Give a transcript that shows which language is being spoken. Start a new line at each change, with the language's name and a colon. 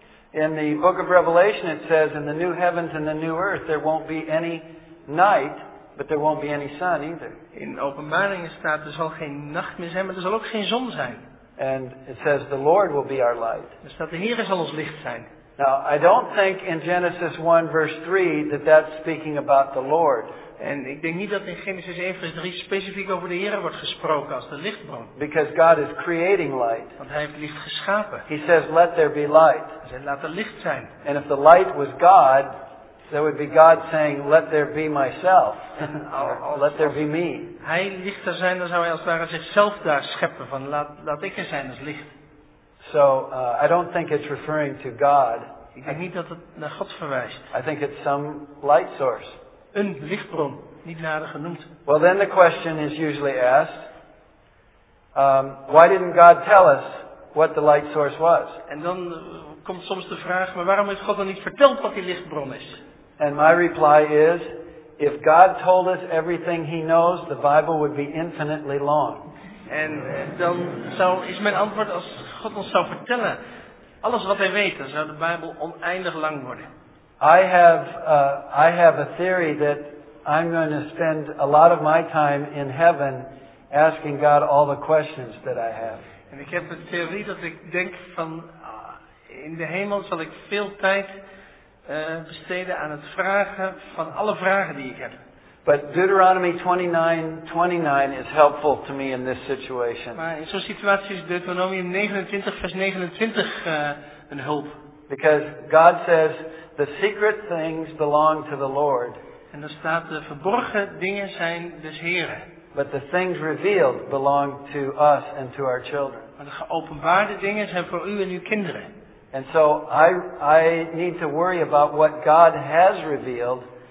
English: In the book of Revelation it says, in the new heavens and the new earth there won't be any night, but there won't be any sun either.
Dutch: In Openbaringen staat er zal geen nacht meer zijn, maar er zal ook geen zon zijn.
English: And it says the Lord will be our light.
Dutch: Dus dat de Heer zal ons licht zijn.
English: Now, I don't think in Genesis 1 verse 3 that that's speaking about the Lord.
Dutch: En ik denk niet dat in Genesis 1 vers 3 specifiek over de Heer wordt gesproken als de lichtbron.
English: Because God is creating light.
Dutch: Want hij heeft licht geschapen.
English: He says, let there be light.
Dutch: Hij zegt, laat er licht zijn.
English: And if the light was God, That would be God saying, let there be myself. Let there be me.
Dutch: Hij lichter zijn, dan zou hij als het ware zichzelf daar scheppen. Van laat ik er zijn als licht.
English: So, I don't think it's referring to God.
Dutch: Ik denk niet dat het naar God verwijst.
English: I think it's some light source.
Dutch: Een lichtbron, niet nader genoemd.
English: Well, then the question is usually asked. Why didn't God tell us what the light source was?
Dutch: En dan komt soms de vraag, maar waarom heeft God dan niet verteld wat die lichtbron is?
English: And my reply is, if God told us everything he knows, the Bible would be infinitely long.
Dutch: En dan is mijn antwoord, als God ons zou vertellen alles wat hij weet, dan zou de Bijbel oneindig lang worden.
English: I have a theory that I'm going to spend a lot of my time in heaven asking God all the questions that I have.
Dutch: En ik heb een theorie dat ik denk van in de hemel zal ik veel tijd besteden aan het vragen van alle vragen die ik heb.
English: But Deuteronomy 29:29 is helpful to me in this situation.
Dutch: Maar in zo'n situatie is Deuteronomium 29 vers 29 een hulp.
English: Because God says the secret things belong to the Lord.
Dutch: En dan staat de verborgen dingen zijn des Heren.
English: But the things revealed belong to us and to our children.
Dutch: Maar de geopenbaarde dingen zijn voor u en uw kinderen.
English: And so I need to worry about what God has revealed.